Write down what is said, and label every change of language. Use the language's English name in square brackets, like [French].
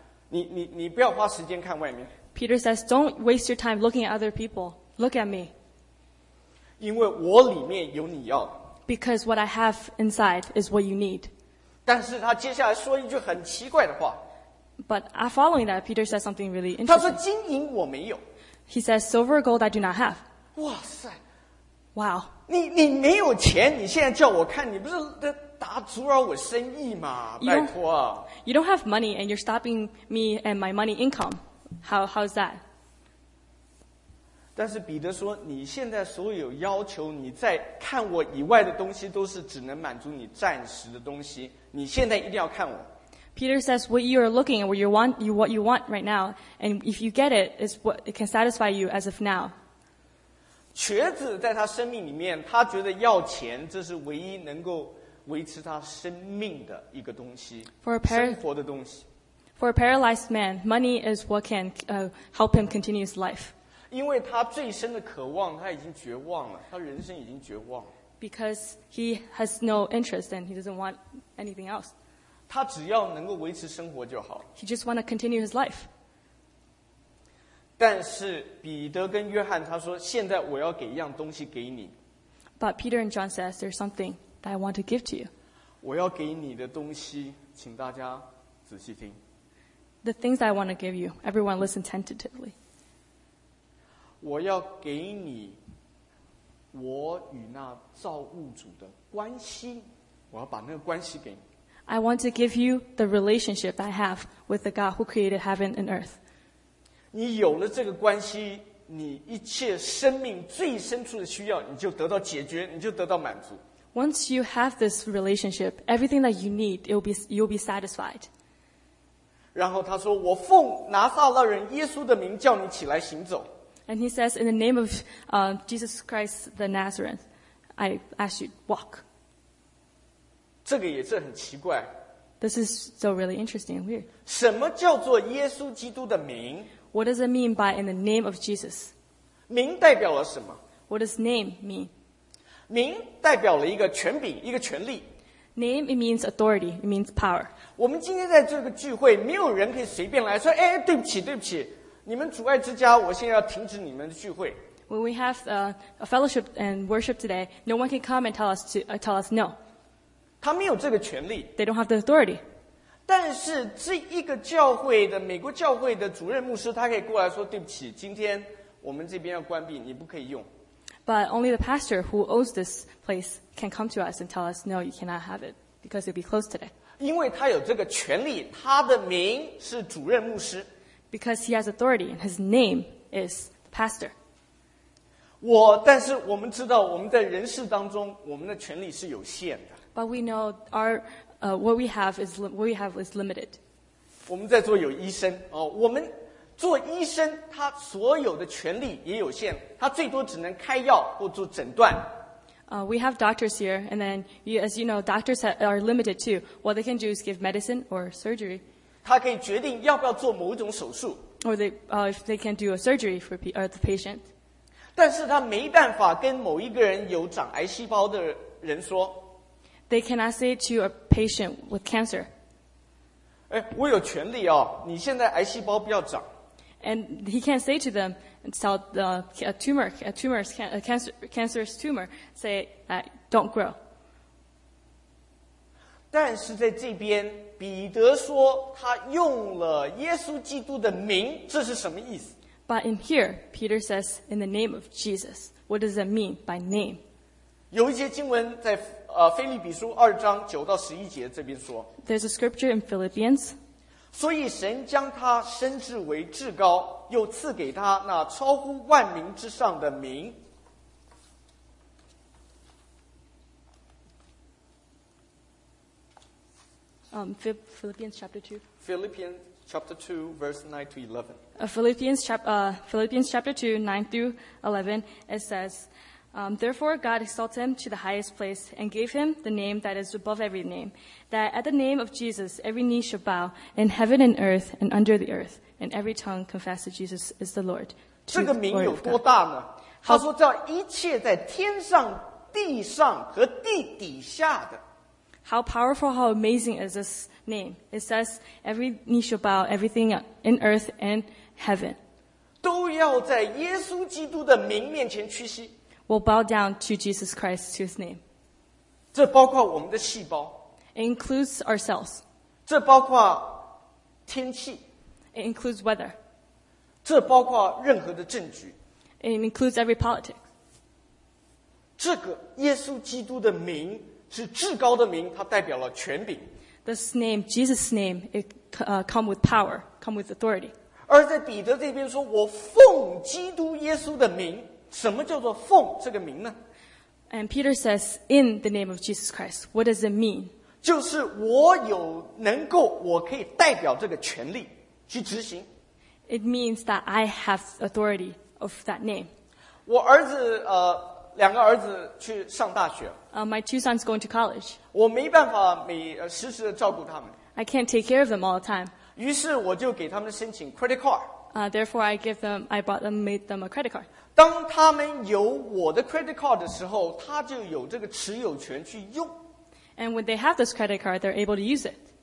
[Chinese] 你不要花时间看外面。 [English] Peter says, don't waste your time looking at other people. Look at me. [Chinese] 因为我里面有你要。 [English] Because what I have inside is what you need. [Chinese] 但是他接下来说一句很奇怪的话。 [English] But following that, Peter says something really interesting. [Chinese] 他说金银我没有。 [English] He says, silver or gold I do not have. [Chinese] 哇塞。 [English] Wow. [Chinese] 你没有钱，你现在叫我看，你不是打阻扰我生意吗？拜托啊。 [English] You don't have money and you're stopping me and my money income. How's that? [Chinese] 但是彼得说，你现在所有要求，你在看我以外的东西，都是只能满足你暂时的东西。你现在一定要看我。 [English] Peter says, what you are looking at, what you want right now, and if you get it, is what it can satisfy you as of now. [Chinese] 瘸子在他生命里面，他觉得要钱，这是唯一能够维持他生命的一个东西，生活的东西。 [English] For a paralyzed man, money is what can help him continue his life. [Chinese] 因为他最深的渴望，他已经绝望了，他人生已经绝望了。 [English] Because he has no interest and he doesn't want anything else. [Chinese] 他只要能够维持生活就好。 [English] He just want to continue his life. [Chinese] 但是彼得跟约翰他说，现在我要给一样东西给你。 [English] But Peter and John says there's something that I want to give to you. [Chinese] 我要给你的东西，请大家仔细听。 [English] The things I want to give you, everyone listen tentatively. [Chinese] 我要给你我与那造物主的关系，我要把那个关系给你。 [English] I want to give you the relationship I have with the God who created heaven and earth. [Chinese] 你有了这个关系，你一切生命最深处的需要，你就得到解决，你就得到满足。 [English] Once you have this relationship, everything that you need, you'll be satisfied. [Chinese] 然后他说我奉拿撒勒人耶稣的名叫你起来行走。 [English] And he says, in the name of Jesus Christ the Nazareth, I ask you, walk. [Chinese] 这个也是很奇怪。 [English] This is so really interesting and weird. [Chinese] 什么叫做耶稣基督的名？ [English] What does it mean by in the name of Jesus? [Chinese] 名代表了什么？ [English] What does name mean? [Chinese] 名代表了一个权柄，一个权力。 [English] Name, it means authority, it means power. [Chinese] 我们今天在这个聚会，没有人可以随便来说，哎，对不起，对不起，你们主爱之家，我现在要停止你们的聚会。 [English] When we have a fellowship and worship today, no one can come and tell us no. [Chinese] 他没有这个权利。 [English] They don't have the authority. [Chinese] 但是这一个教会的，美国教会的主任牧师，他可以过来说，对不起，今天我们这边要关闭，你不可以用。 [English] But only the pastor who owns this place can come to us and tell us, no, you cannot have it because it'll be closed today. [Chinese] 因为他有这个权利，他的名是主任牧师。 [English] Because he has authority and his name is the pastor. [Chinese] 但是我们知道我们在人世当中我们的权利是有限的。 [English] But we know what we have is limited. [Chinese] 我们在做有医生，我们做医生，他所有的权利也有限，他最多只能开药或做诊断。 [English] We have doctors here, and then you, as you know, doctors are limited too. What they can do is give medicine or surgery. [Chinese] 他可以决定要不要做某种手术。 [English] Or they, if they can do a surgery for the patient. [Chinese] 但是他没办法跟某一个人有长癌细胞的人说。 [English] They cannot say to a patient with cancer. [Chinese] 哎，我有权利哦，你现在癌细胞不要长。 [English] And he can say to them, tell the cancerous tumor, say, don't grow. [Chinese] 但是在这边，彼得说他用了耶稣基督的名，这是什么意思？ [English] But in here, Peter says, in the name of Jesus. What does that mean by name? [Chinese] 有一些经文在腓立比书二章九到十一节这边说。 [English] There's a scripture in Philippians. [Chinese] 所以神将他升至为至高，又赐给他那超乎万名之上的名。 [English] Philippians chapter 2. Philippians chapter 2, verse 9 to 11. Philippians chapter 2, 9 through 11, it says, Therefore God exalted him to the highest place and gave him the name that is above every name, that at the name of Jesus every knee shall bow in heaven and earth and under the earth, and every tongue confess that Jesus is the Lord. [Chinese] 这个名有多大呢？他说叫一切在天上、地上和地底下的。 [English] How powerful, how amazing is this name? It says, every knee shall bow, everything in earth and heaven. [Chinese] 都要在耶稣基督的名面前屈膝。 [English] Will bow down to Jesus Christ, to his name. [Chinese] 这包括我们的细胞。 [English] It includes ourselves. [Chinese] 这包括天气。 [English] It includes weather. [Chinese] 这包括任何的政局。 [English] It includes every politics. [Chinese] 这个耶稣基督的名是至高的名，它代表了权柄。 [English] This name, Jesus' name, it come with power, come with authority. [Chinese] 而在彼得这边说，我奉基督耶稣的名，什么叫做奉这个名呢？ [English] And Peter says, in the name of Jesus Christ, what does it mean? [Chinese] 就是我有能够，我可以代表这个权力去执行。 [English] It means that I have authority of that name. [Chinese] 我儿子两个儿子去上大学。 [English] My two sons going to college. [Chinese] 我没办法每时时的照顾他们。 [English] I can't take care of them all the time. [Chinese] 于是我就给他们申请 credit card. [English] Therefore, I made them a credit card. [Chinese] 当他们有我的 credit card 的时候，他就有这个持有权去用。 [English] And when they have this credit card, they're able to use it.